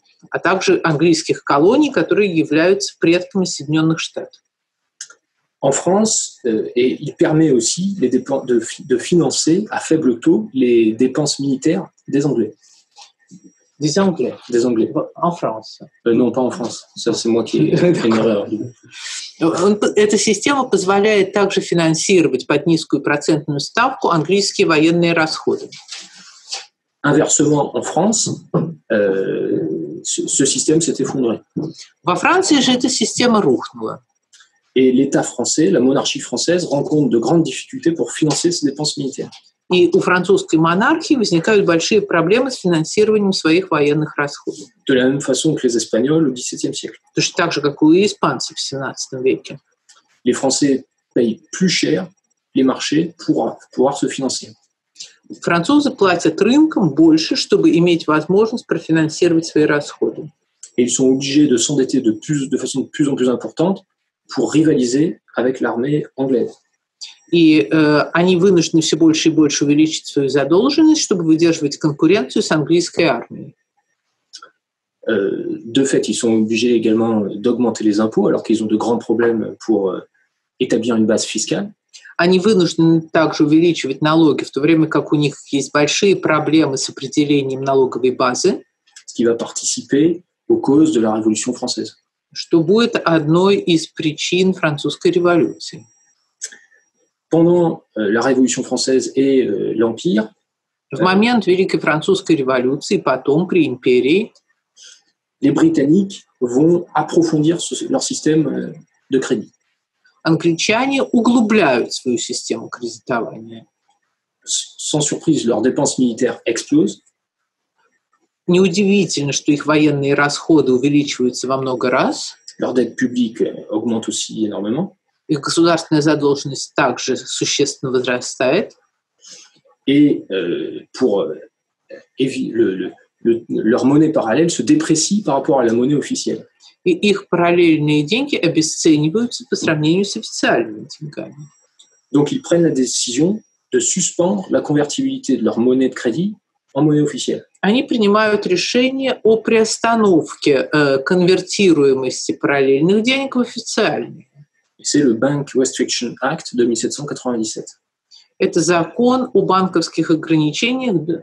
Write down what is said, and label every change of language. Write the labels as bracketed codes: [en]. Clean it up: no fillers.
[ru] А также английских колоний, которые являются предками Соединенных Штатов. [fr] En France, et il permet aussi les de financer à faible taux les dépenses militaires des Anglais. Des Anglais. Des Anglais. En France. Non, pas en France. Ça, c'est moi qui ai une erreur. [ru] Эта система позволяет также финансировать под низкую процентную ставку английские военные расходы. [fr] Inversement, en France, ce système s'est effondré. [ru] Во Франции же эта система рухнула. [fr] Et l'État français, la monarchie française, rencontre de grandes difficultés pour financer ses dépenses militaires. [ru] И у французской монархии возникают большие проблемы с финансированием своих военных расходов. [fr] De la même façon que les Espagnols au XVIIe siècle. [ru] Точно так же, как и испанцы в XVII веке. [fr] Les Français payent plus cher les marchés pour pouvoir se financer. [ru] Французы платят рынкам больше, чтобы иметь возможность профинансировать свои расходы. [fr] Et ils sont obligés de s'endetter de façon de plus en plus importante pour rivaliser avec l'armée anglaise. [ru] И они вынуждены все больше и больше увеличить свою задолженность, чтобы выдерживать конкуренцию с английской армией. [fr] De fait, ils sont obligés également d'augmenter les impôts, alors qu'ils ont de grands problèmes pour établir une base fiscale. [ru] Они вынуждены также увеличивать налоги, в то время как у них есть большие проблемы с определением налоговой базы. [fr] Ce qui va participer aux causes de la Révolution française. [ru] Что будет одной из причин французской революции. [fr] Pendant la Révolution française et l'Empire, [ru] в момент Великой Французской революции, потом при империи, [fr] les Britanniques vont approfondir leur système de crédit. [ru] Англичане углубляют свою систему кредитования. [fr] Sans surprise, leurs dépenses militaires explosent. [ru] Неудивительно, что их военные расходы увеличиваются во много раз. [fr] Leur dette publique augmente aussi énormément. [ru] Их государственная задолженность также существенно возрастает. [fr] Et pour leur monnaie parallèle se déprécie par rapport à la monnaie officielle. [ru] И их параллельные деньги обесцениваются по сравнению с официальными деньгами. [fr] Donc ils prennent la décision de suspendre la convertibilité de leur monnaie de crédit en monnaie officielle. [ru] Они принимают решение о приостановке конвертируемости параллельных денег в официальные. [fr] C'est le Bank Restriction Act de 1797. [ru] Это закон о банковских ограничениях.